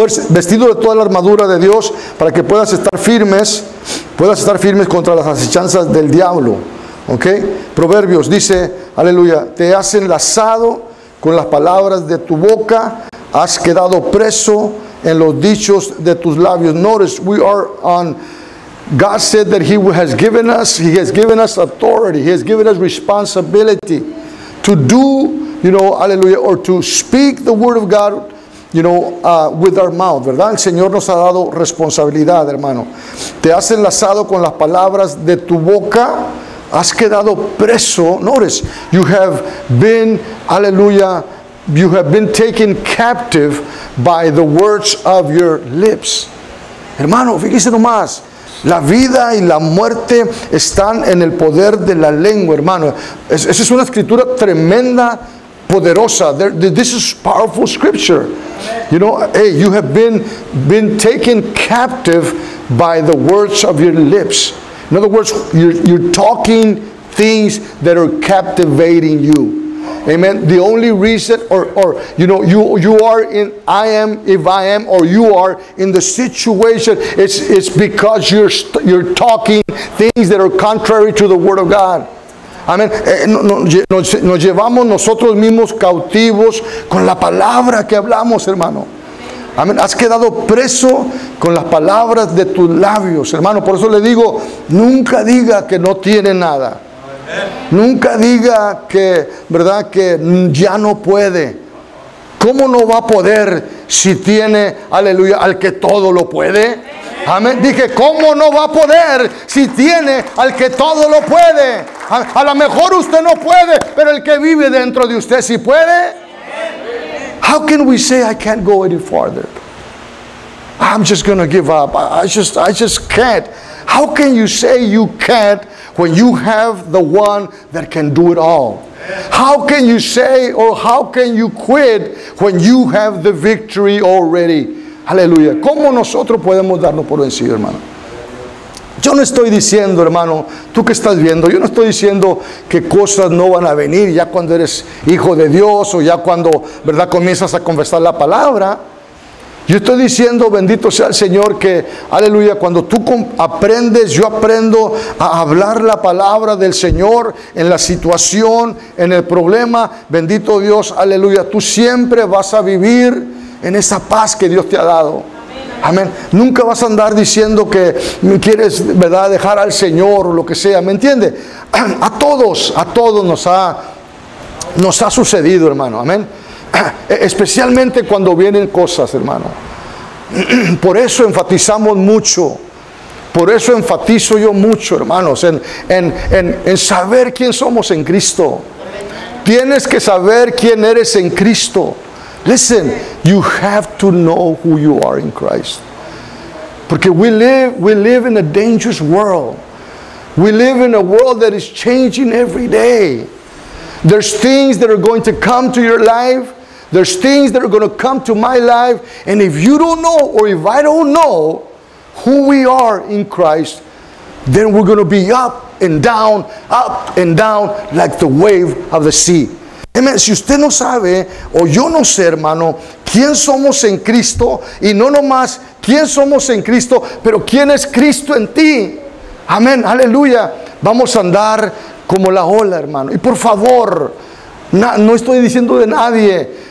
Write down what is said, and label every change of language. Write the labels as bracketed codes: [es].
[es] Vestido de toda la armadura de Dios para que puedas estar firmes contra las acechanzas del diablo. Ok. Proverbios dice, aleluya, te has enlazado con las palabras de tu boca. Has quedado preso en los dichos de tus labios. [en] Notice, we are on. God said that He has given us authority. He has given us responsibility to do, hallelujah, or to speak the word of God, with our mouth, [es] ¿verdad? El Señor nos ha dado responsabilidad, hermano. Te has enlazado con las palabras de tu boca. Has quedado preso. [en] Notice, you have been, hallelujah. You have been taken captive by the words of your lips. [es] Hermano, fíjese nomás. La vida y la muerte están en el poder de la lengua, hermano. Esa es una escritura tremenda, poderosa. [en] This is powerful scripture. You know, hey, you have been taken captive by the words of your lips. In other words, you're talking things that are captivating you. Amen. The only reason you are in the situation is because you're talking things that are contrary to the word of God. Amen. [es] Nos llevamos nosotros mismos cautivos con la palabra que hablamos, hermano. Amén. Has quedado preso con las palabras de tus labios, hermano. Por eso le digo, nunca diga que no tiene nada. Nunca diga que, ¿verdad?, que ya no puede. ¿Cómo no va a poder si tiene, aleluya, al que todo lo puede? Amén. Dije, ¿cómo no va a poder si tiene al que todo lo puede? A lo mejor usted no puede, pero el que vive dentro de usted sí puede. [en] How can we say I can't go any farther? I'm just going to give up. I just can't. How can you say you can't when you have the one that can do it all? How can you say, or how can you quit when you have the victory already? [es] Aleluya. ¿Cómo nosotros podemos darnos por vencido, hermano? Yo no estoy diciendo, hermano, tú que estás viendo, yo no estoy diciendo que cosas no van a venir ya cuando eres hijo de Dios o ya cuando, ¿verdad?, comienzas a confesar la palabra. Yo estoy diciendo, bendito sea el Señor, que, aleluya, cuando tú aprendes, yo aprendo a hablar la palabra del Señor en la situación, en el problema, bendito Dios, aleluya, tú siempre vas a vivir en esa paz que Dios te ha dado. Amén. Nunca vas a andar diciendo que quieres, ¿verdad?, dejar al Señor o lo que sea, ¿me entiende? A todos nos ha sucedido, hermano, amén. Especialmente cuando vienen cosas, hermano. Por eso enfatizamos mucho, por eso enfatizo yo mucho, hermanos, en saber quién somos en Cristo. Tienes que saber quién eres en Cristo. [en] Listen, you have to know who you are in Christ. [es] Porque [en] we live in a dangerous world. We live in a world that is changing every day. There's things that are going to come to your life. There's things that are going to come to my life. And if you don't know, or if I don't know who we are in Christ, then we're going to be up and down, like the wave of the sea. Amen. [es] Si usted no sabe, o yo no sé, hermano, quién somos en Cristo, y no nomás quién somos en Cristo, pero quién es Cristo en ti. Amén, aleluya. Vamos a andar como la ola, hermano. Y por favor, no estoy diciendo de nadie.